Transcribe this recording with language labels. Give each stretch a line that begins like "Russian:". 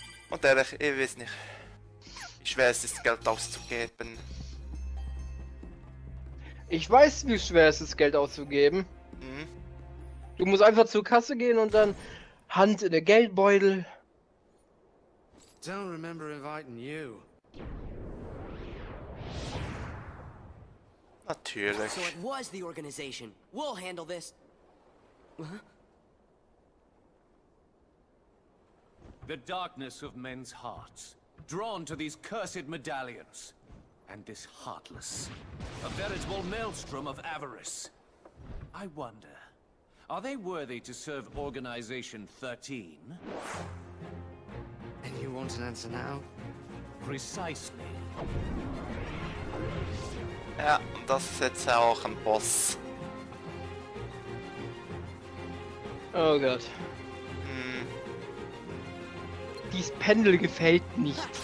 German: Und ehrlich, ich weiß nicht, wie schwer es ist, Geld auszugeben. Ich weiß, wie schwer es ist, Geld auszugeben. Mhm. Du musst einfach zur Kasse gehen und dann Hand in den Geldbeutel.
English: Don't remember inviting you.
German: Natürlich.
English: So it was the organization. We'll handle this. Huh? The darkness of men's hearts, drawn to these cursed medallions, and this heartless, a veritable maelstrom of avarice. I wonder, are they worthy to serve Organization 13? And you want an answer now? Precisely.
German: Ja, und das ist jetzt ja auch ein Boss. Oh Gott. Hm. Dies Pendel gefällt nicht.